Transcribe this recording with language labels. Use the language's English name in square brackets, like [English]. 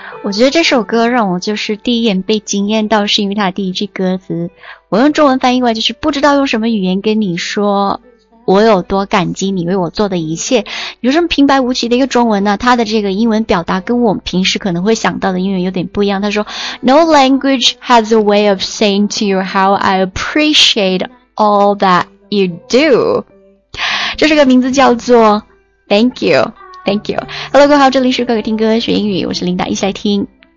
[Chinese] 觉得这首歌让我就是第一眼被惊艳到，是因为它第一句歌词，我用中文翻译过来就是不知道用什么语言跟你说我有多感激你为我做的一切。有这么平白无奇的一个中文呢，它的这个英文表达跟我平时可能会想到的英文有点不一样。他说 [English] No language has a way of saying to you how I appreciate all that you do。 [Chinese] 这是个名字叫做 Thank youThank you. Hello, 各位好，这里是哥哥听歌学英语，我是琳达，一起来听。